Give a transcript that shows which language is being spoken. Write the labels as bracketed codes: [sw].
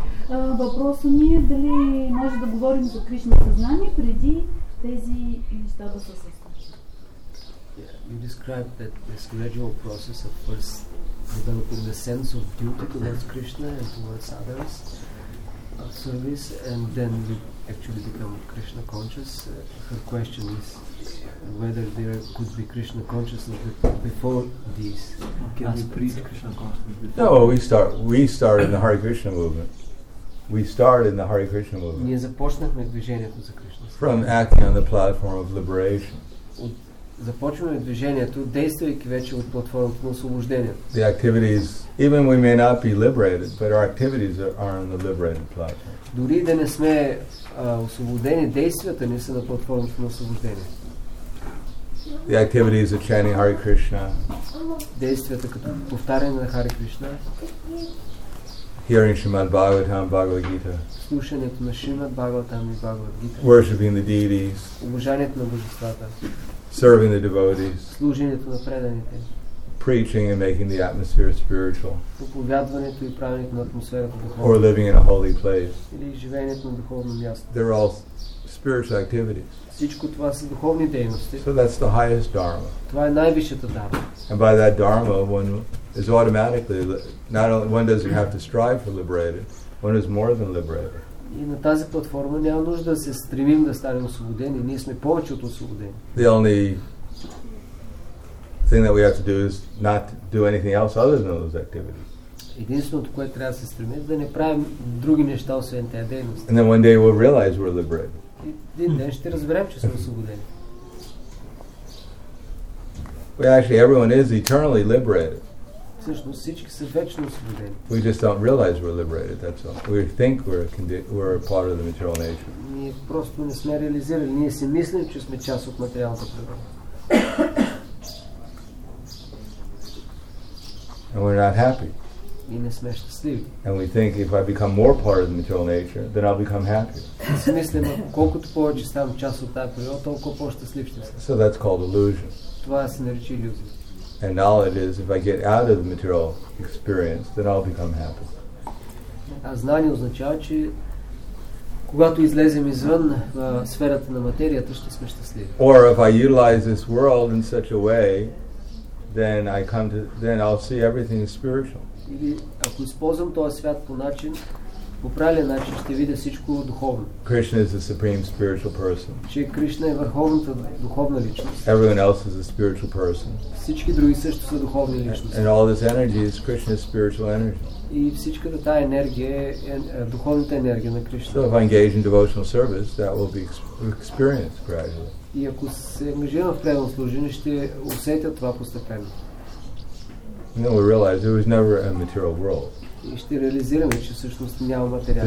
[bg] Въпросът ми е дали може да говорим за Кришна съзнание преди [en] Yeah, you described that this gradual process of first developing the sense of duty towards Krishna and towards others, service, and then we actually become Krishna conscious. Her question is whether there could be Krishna consciousness before these. Can we preach Krishna consciousness? No, we start in the Hare Krishna movement. We start in the Hare Krishna movement. [bg] Ние започнахме движението за Кришна. [en] From acting on the platform of liberation. [bg] Започваме движението, действайки вече от платформата на освобождението. [en] The activities, even we may not be liberated, but our activities are on the liberated platform. [bg] Дори да не сме освободени, действията ни са на платформата на освобождение. [en] The activities of chanting Hare Krishna. [bg] Действията като повтаряне на Hare Krishna. [en] Hearing Srimad Bhagavatam, Bhagavad Gita. [bg] Слушането на Шримад Бхагаватам и Бхагавад Гита. [en] Worshiping the deities. [bg] Обожанието на божествата. [en] Serving the devotees. [bg] Служението на преданите. [en] Preaching and making the atmosphere spiritual. [bg] Проповядването и правенето на атмосферата духовна. [en] Or living in a holy place. [bg] Или живеенето на духовно място. [en] They're all spiritual activities. [bg] Всичко това са духовни дейности. [en] So that's the highest dharma. [bg] Това е най-висшата дарма. [en] And by that dharma, one is automatically, not only one doesn't have to strive for liberated, one is more than liberated. [bg] И на тази платформа няма нужда да се стремим да станем освободени. Ние сме повече от освободени. [en] The only thing that we have to do is not do anything else other than those activities. [bg] Единственото, което трябва да се стремим, е да не правим други неща освен тези дейности. [en] And then one day we'll realize we're liberated. [bg] Един ден ще разберем, че сме освободени. [en] Well, actually, everyone is eternally liberated. [bg] Всъщност всички са вечно освободени. [en] We just don't realize we're liberated, that's all. We think we're a part of the material nature. [bg] Ние просто не сме реализирали. Ние си мислим, че сме част от материалната природа. [en] And we're not happy. [bg] И не сме щастливи. [en] And we think if I become more part of the material nature, then I'll become happier. [bg] Си мислим, колкото повече ставам част от тази природа, толкова по-щастлив ще съм. [en] So that's called illusion. [bg] Това се нарича иллюзия. [en] And knowledge is, if I get out of the material experience, then I'll become happy. [bg] А знание означава, че когато излезем извън сферата на материята, ще сме щастливи. [en] Or if I utilize this world in such a way, then I'll see everything is spiritual. [bg] Или ако използвам този свят по начин, по правилен начин, ще видя всичко духовно. [en] Krishna is the supreme spiritual person. [bg] Че Кришна е върховната духовна личност. [en] Everyone else is a spiritual person. [bg] Всички други също са духовни личности. [en] And all this energy is Krishna's spiritual energy. [bg] И всичката тая енергия е духовната енергия на Кришна. [en] So if I engage in devotional service, that will be experienced gradually. [bg] И ако се ангажирам в преданно служение, ще усетя това постепенно. [en] And then we realize there was never a material world. [bg] И ще реализираме, че всъщност няма материал.